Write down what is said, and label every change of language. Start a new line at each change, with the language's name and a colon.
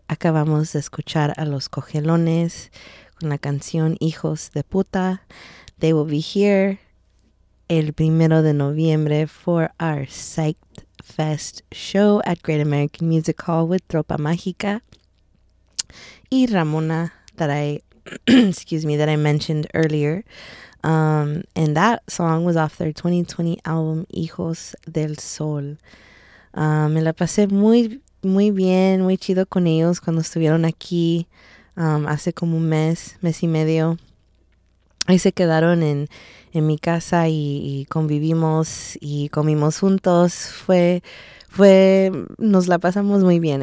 Spanish: Acabamos de escuchar a Los Cogelones con la canción Hijos de Puta.
English: They will be here
Spanish: el primero de noviembre
English: for our Psyched Fest show at Great American Music Hall with Tropa Mágica y Ramona, that I mentioned earlier, and that song was off their 2020 album Hijos del Sol.
Spanish: Me la pasé muy muy bien, muy chido con ellos cuando estuvieron aquí hace como un mes y medio. Ahí se quedaron en mi casa y convivimos y comimos juntos. Fue, nos la pasamos muy bien.